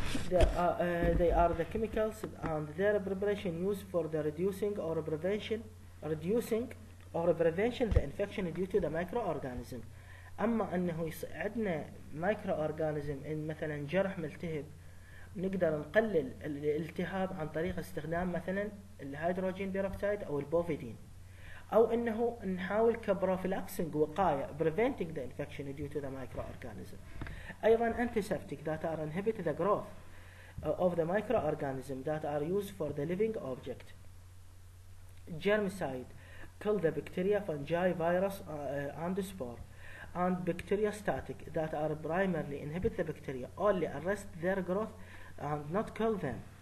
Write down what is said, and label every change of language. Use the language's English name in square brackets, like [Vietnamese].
[English] They are the chemicals and their preparation used for the reducing or prevention the infection due to the microorganism. [Arabic] أما أنه عندنا microorganism إن مثلا جرح ملتهب، نقدر نقلل الالتهاب عن طريق استخدام مثلا الهيدروجين بيروكسايد أو البوفيدين، أو أنه نحاول كبروفيلاكسنج وقاية [English] preventing the infection due to the microorganism. [Arabic] أيضا [English] antiseptic that are inhibit the growth of the microorganism that are used for the living object. Germicide kill the bacteria, fungi, virus and spore. And bacteriostatic that are primarily inhibit the bacteria only arrest their growth and not kill them.